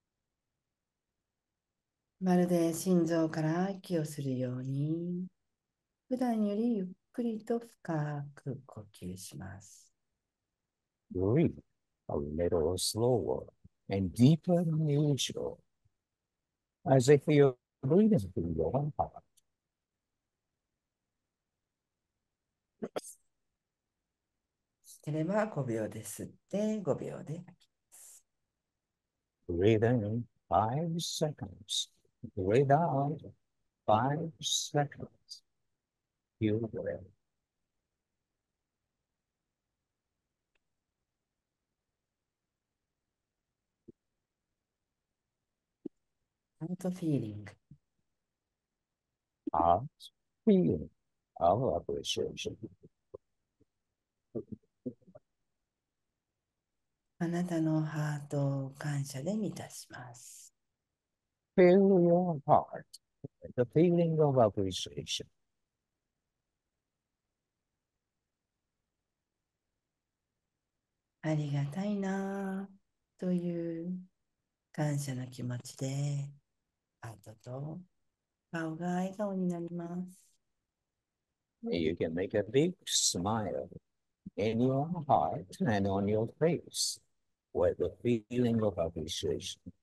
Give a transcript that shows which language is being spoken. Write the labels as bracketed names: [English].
[Japanese] 呼吸。まるで心臓から息をするように普段よりゆっくりと深く呼吸します。 [English] Breathe a little slower and deeper than usual, as if you're breathing through your own heart. [Japanese] それは5秒で吸って5秒で吐きます。 [English] Breathe in 5 seconds. Breathe out 5 seconds. You breathe. Heart feeling. Heart feeling of appreciation. [Japanese] あなたのハートを感謝で満たします。 [English] Fill your heart with the feeling of appreciation. [Japanese] ありがたいなという感謝の気持ちで、ハートと顔が笑顔になります。 [English] You can make a big smile in your heart and on your face. With the feeling of appreciation.